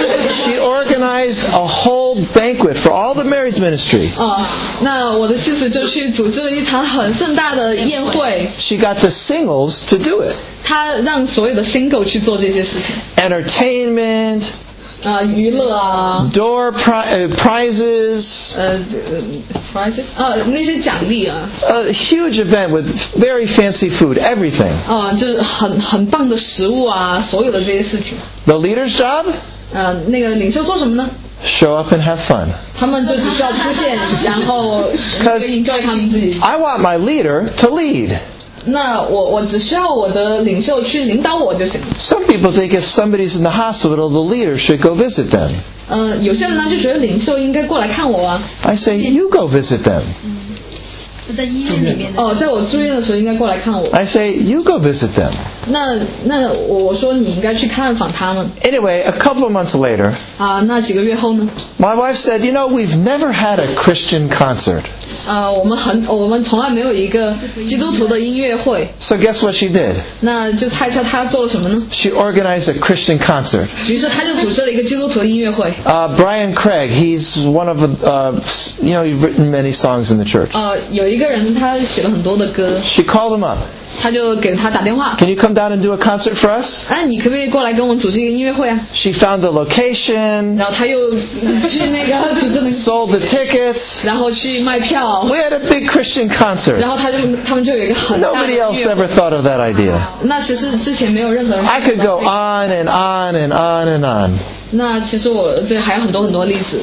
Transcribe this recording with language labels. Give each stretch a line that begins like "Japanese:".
English: She organized a whole banquet for all the marriage ministry.
Chinese: 那我的妻子就去组织了一场很盛大的宴会。
English: She got the singles to do it.
Chinese: 他让所有的 single 去做这些事情。
English: Entertainment,
Chinese: 娱乐啊。
English: Door prizes,
Chinese: prizes, 那些奖励啊。
English: A huge event with very fancy food, everything.
Chinese: 就是很棒的食物啊，所有的这些事情。
English: The leader's job?
Chinese: 那个领袖做什么呢？
English: Show up and have fun.
Chinese: 他们就是要出现，然后去 enjoy 他们自己。
English: I want my leader to lead.
Chinese: 那我只需要我的领袖去领导我就行了。
English: Some people think if somebody's in the hospital, the leader should go visit them.
Chinese: 有些人呢就觉得领袖应该过来看我啊。
English: I say you go visit them.
Chinese: 在医院里面的。在我住院的时候应该过来看我。
English: I say you go visit them.
Chinese: 那我说你应该去看访他们。
English: Anyway, a couple of months later.
Chinese: 那几个月后呢
English: ？My wife said, you know, we've never had a Christian concert.
Chinese: 我们从来没有一个基督徒的音乐会。
English: So guess what she did?
Chinese: 那就猜猜她做了什么呢
English: ？She organized a Christian concert.
Chinese: 于是她就组织了一个基督徒的音乐会。
English: Brian Craig, he's one of you've written many songs in the church.
Chinese: 有一个人他写了很多的歌。
English: She called him up.
Chinese: 他就给他打电话。
English: Can you come down and do a concert for us?
Chinese: 你可不可以过来跟我们组织一个音乐会啊
English: ？She found the location.
Chinese: 然后他又去那个组织那个。
English: Sold the tickets.
Chinese: 然后去卖票。
English: We had a big Christian concert.
Chinese: 然后他们就有一个很大的音乐会。
English: Nobody else ever thought of that idea.
Chinese: 那其实之前没有任何人。
English: I could go on and on and on and on.
Chinese: 那其实我对还有很多很多例子。